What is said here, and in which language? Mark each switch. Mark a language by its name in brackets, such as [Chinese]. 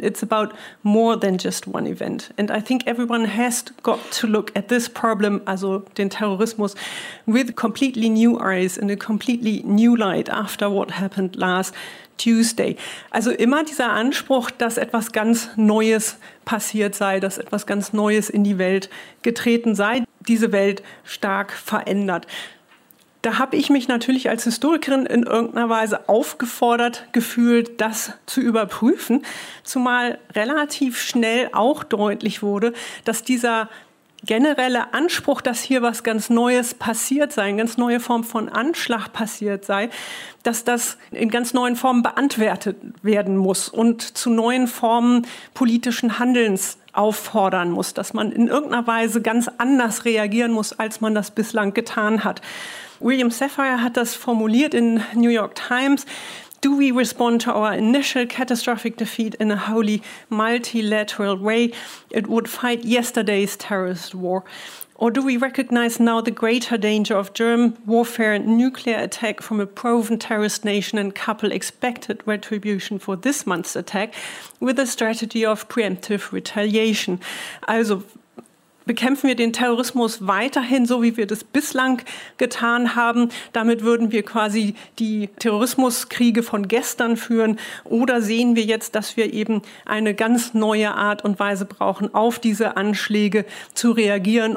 [English] It's about more than just one event. And I think everyone has got to look at this problem, [German] also den Terrorismus, [English] with completely new eyes and a completely new light after what happened last Tuesday. [German] Also immer dieser Anspruch, dass etwas ganz Neues passiert sei, dass etwas ganz Neues in die Welt getreten sei, diese Welt stark verändert. Da habe ich mich natürlich als Historikerin in irgendeiner Weise aufgefordert gefühlt, das zu überprüfen, zumal relativ schnell auch deutlich wurde, dass dieser generelle Anspruch, dass hier was ganz Neues passiert sei, eine ganz neue Form von Anschlag passiert sei, dass das in ganz neuen Formen beantwortet werden muss und zu neuen Formen politischen Handelns auffordern muss, dass man in irgendeiner Weise ganz anders reagieren muss, als man das bislang getan hat. William Sapphire hat das formuliert in New York Times. [English] Do we respond to our initial catastrophic defeat in a wholly multilateral way? It would fight yesterday's terrorist war. Or do we recognize now the greater danger of germ warfare and nuclear attack from a proven terrorist nation and couple expected retribution for this month's attack with a strategy of preemptive retaliation? [German] Also, bekämpfen wir den Terrorismus weiterhin so, wie wir das bislang getan haben? Damit würden wir quasi die Terrorismuskriege von gestern führen. Oder sehen wir jetzt, dass wir eben eine ganz neue Art und Weise brauchen, auf diese Anschläge zu reagieren?